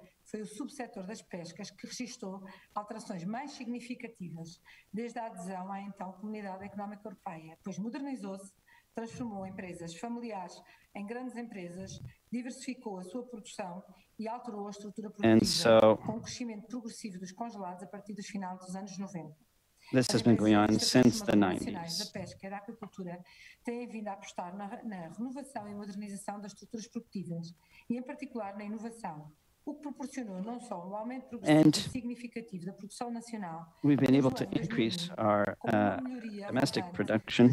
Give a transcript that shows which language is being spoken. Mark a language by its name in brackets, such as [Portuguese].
[Portuguese] Foi o subsetor das pescas que registrou alterações mais significativas desde a adesão à então Comunidade Económica Europeia, pois modernizou-se, transformou empresas familiares em grandes empresas, diversificou a sua produção e alterou a estrutura produtiva, com o crescimento progressivo dos congelados a partir do final dos anos 90. [English] This has been going on since the 90s. [Portuguese] A pesca e a aquacultura têm vindo a apostar na renovação e modernização das estruturas produtivas, e em particular na inovação, o que proporcionou não só um aumento progressivo significativo da produção nacional, [English] we've been able to increase our domestic production